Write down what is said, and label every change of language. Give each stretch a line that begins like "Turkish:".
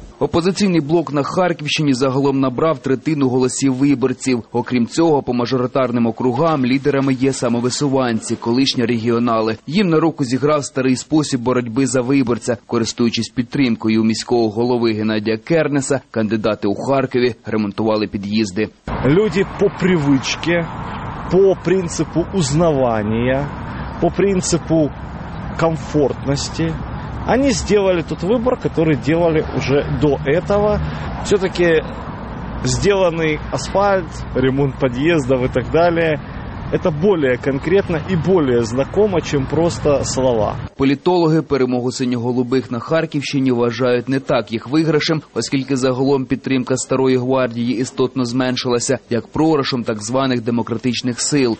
Ukrainian: Опозиційний блок на Харківщині загалом набрав третину голосів виборців. Окрім цього, по мажоритарним округам лідерами є самовисуванці, колишні регіонали. Їм на руку зіграв старий спосіб боротьби за виборця. Користуючись підтримкою у міського голови Геннадія Кернеса, кандидати у Харкові ремонтували під'їзди.
Russian: Люди по привичці, по принципу узнавання, по принципу комфортності, они сделали тот выбор, который делали уже до этого. Все-таки сделанный асфальт, ремонт подъездов и так далее,
Ukrainian: Це більш конкретно і більш знайомо, ніж просто слова. Політологи перемогу синьоголубих на Харківщині вважають не так їх виграшем, оскільки загалом підтримка Старої гвардії істотно зменшилася, як програшем так званих демократичних сил.